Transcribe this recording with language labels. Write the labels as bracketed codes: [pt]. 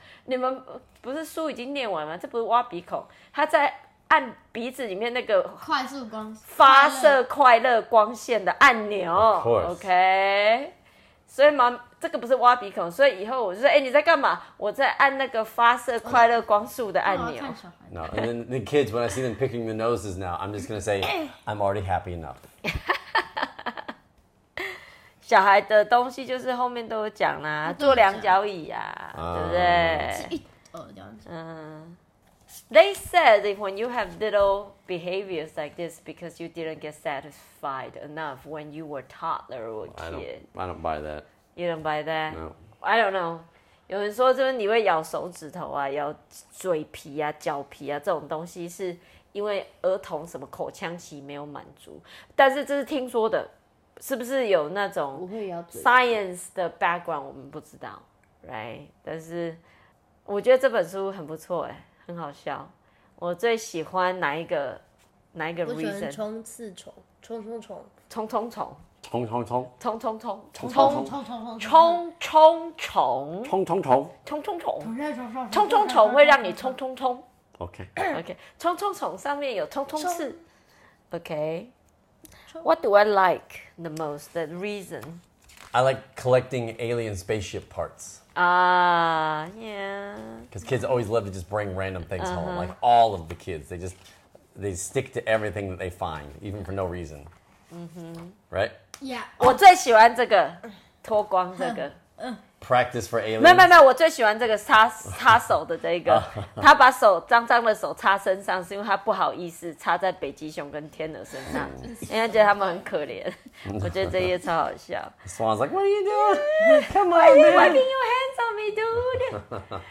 [zh] 你们不是书已经念完吗？这不是挖鼻孔，她在按鼻子里面那个快速光发射快乐光线的按钮。 [en] Of course. OK. [zh] 所以妈，这个不是挖鼻孔，所以以后我就说，哎，你在干嘛？我在按那个发射快乐光束的按钮。 [en] No, and then the kids, when I see them picking the noses now, I'm just going to say, I'm already happy enough. [zh] 小孩的东西就是后面都有讲啦、啊，坐两脚椅啊、对不对？是一二两脚。 [en] They said when you have little behaviors like this, because you didn't get satisfied enough when you were toddler or kid. I don't buy that. You don't buy that? No. I don't know. [zh] 有人说就是你会咬手指头啊，咬嘴皮啊，脚皮啊，这种东西是因为儿童什么口腔期没有满足。但是这是听说的，是不是有那种 science 的 background 我们不知道 ，right？但是我觉得这本书很不错，哎，很好笑。我最喜欢哪一个 reason？我喜欢冲刺虫，冲冲虫，冲冲虫。冲冲冲！冲冲冲！冲冲冲！冲冲冲！冲冲冲！冲冲冲！冲冲冲！会让你冲冲冲。 [en] OK OK， [zh] 冲冲冲上面有冲冲刺。 [en] OK， What do I like the most? The reason? I like collecting alien spaceship parts. Yeah. Because kids always love to just bring random things home. Like all of the kids, they stick to everything that they find, even for no reason. Mm-hmm. Right. Yeah, [zh] 我最喜欢这个脱光这个。 [en] Practice for aliens. [zh] 没有，我最喜欢这个擦手的这个。他把手脏脏的手擦身上，是因为他不好意思擦在北极熊跟天鹅身上，因为他觉得他们很可怜。我觉得这页超好笑。 [en] Swan's like, what are you doing? Come on, man. Why are you wiping your hands on me, dude?